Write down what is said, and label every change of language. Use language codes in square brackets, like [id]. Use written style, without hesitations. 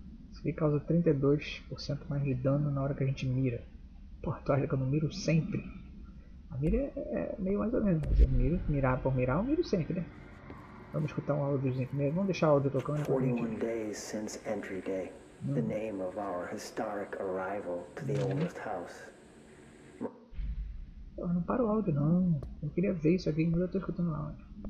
[pt] Isso aqui causa 32% mais de dano na hora que a gente mira. Pô, tu acha que eu não miro sempre? A mira é meio mais ou menos. Eu miro, mirar por mirar, eu miro sempre, né? Vamos escutar um áudiozinho primeiro. Vamos deixar o áudio tocando. [en] 41 days since entry day. The name of our historic arrival to the oldest house. [pt] Eu não para o áudio não. Eu queria ver isso aqui, mas eu tô escutando o áudio.